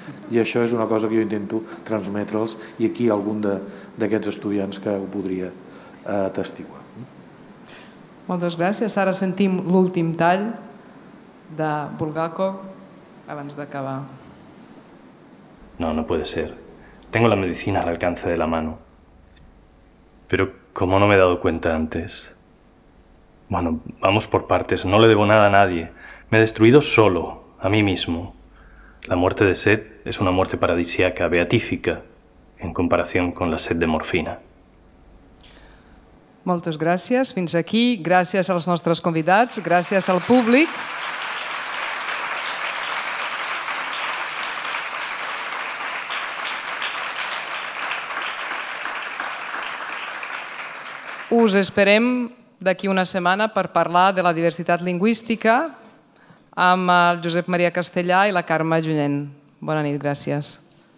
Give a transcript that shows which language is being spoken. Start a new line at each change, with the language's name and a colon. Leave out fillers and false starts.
Catalan: I això és una cosa que jo intento transmetre'ls, i aquí algun d'aquests estudiants que ho podria atestiguar. Moltes gràcies. Ara sentim l'últim tall de Bulgakov abans d'acabar.
Spanish: No, no puede ser. Tengo la medicina al alcance de la mano. Pero como no me he dado cuenta antes... Bueno, vamos por partes. No le debo nada a nadie. Me he destruido solo, a mí mismo. La muerte de sed es una muerte paradisíaca, beatífica, en comparación con la sed de morfina.
Catalan: Moltes gràcies. Fins aquí. Gràcies als nostres convidats, gràcies al públic. Us esperem d'aquí una setmana per parlar de la diversitat lingüística amb el Josep Maria Castellà i la Carme Junyent. Bona nit, gràcies.